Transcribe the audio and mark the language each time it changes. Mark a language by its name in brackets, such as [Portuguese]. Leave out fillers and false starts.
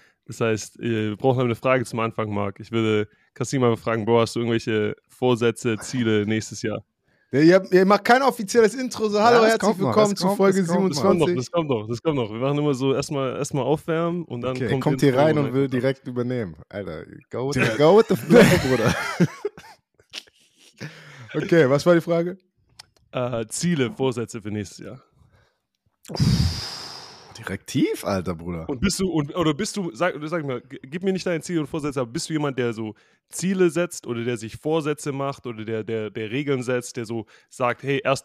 [German] Das heißt, wir brauchen eine Frage zum Anfang, Marc. Ich würde Kasim mal fragen, Bro, hast du irgendwelche Vorsätze, Ziele nächstes Jahr? Ihr macht kein offizielles Intro, so hallo, ja, herzlich willkommen zu Folge 27. Das kommt noch. Wir machen immer so erstmal aufwärmen und dann okay, kommt hier rein und will direkt übernehmen. Alter, [English] go with the flow, [German] Bruder. Okay, was war die Frage? Ziele, Vorsätze für nächstes Jahr. Direkt tief, Alter, Bruder. Und sag mal, gib mir nicht deine Ziele und Vorsätze, aber bist du jemand, der so Ziele setzt oder der sich Vorsätze macht oder der Regeln setzt, der so sagt, hey, 1.